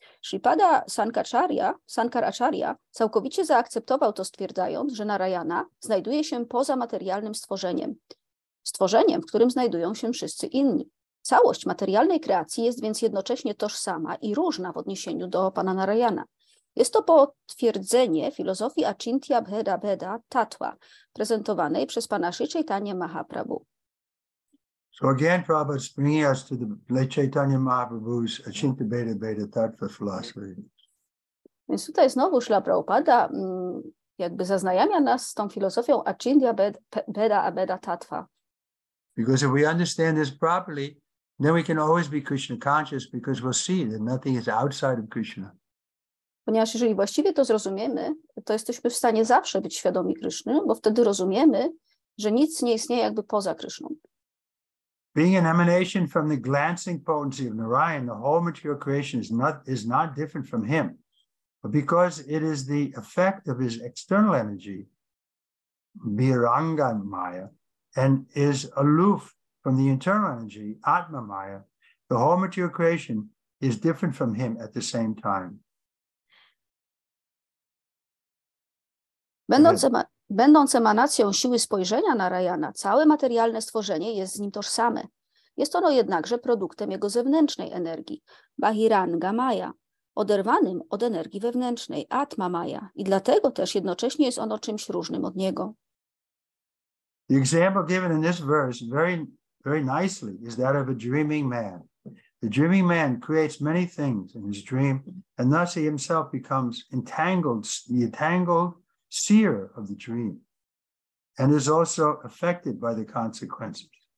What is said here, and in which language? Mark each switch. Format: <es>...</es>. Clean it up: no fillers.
<pl>Sripada Sankaracharya całkowicie zaakceptował to, stwierdzając, że Narayana znajduje się poza materialnym stworzeniem, stworzeniem, w którym znajdują się wszyscy inni. Całość materialnej kreacji jest więc jednocześnie tożsama i różna w odniesieniu do Pana Narayana. Jest to potwierdzenie filozofii Achintya Bheda Bheda Tatwa, prezentowanej przez Pana Sri Chaitanya Mahaprabhu.</pl> <en>So again, Prabhupada's bringing us to the late Chaitanya Mahaprabhu's Achintabheda Bheda Tatva philosophy.</en> <pl>Więc tutaj znowu Śla Prabhupada jakby zaznajamia nas z tą filozofią Achintya Bheda Bheda Tatva.</pl> <en>Because if we understand this properly, then we can always be Krishna conscious, because we'll see that nothing is outside of Krishna.</en> <pl>Ponieważ jeżeli właściwie to zrozumiemy, to jesteśmy w stanie zawsze być świadomi Kryszny, bo wtedy rozumiemy, że nic nie istnieje jakby poza Kryszną.</pl> <en>Being an emanation from the glancing potency of Narayan, the whole material creation is not different from him. But because it is the effect of his external energy, Bhiranga Maya, and is aloof from the internal energy, Atma Maya, the whole material creation is different from him at the same time.</en> <pl>Będąc Będąc emanacją siły spojrzenia na Narayana, całe materialne stworzenie jest z nim tożsame. Jest ono jednakże produktem jego zewnętrznej energii, Bahiranga Maya, oderwanym od energii wewnętrznej, Atma Maya, i dlatego też jednocześnie jest ono czymś różnym od niego.</pl> <en>The example given in this verse very, very nicely is that of a dreaming man. The dreaming man creates many things in his dream, and thus he himself becomes entangled, the entangled seer of the dream, and is also affected by the consequences.</en>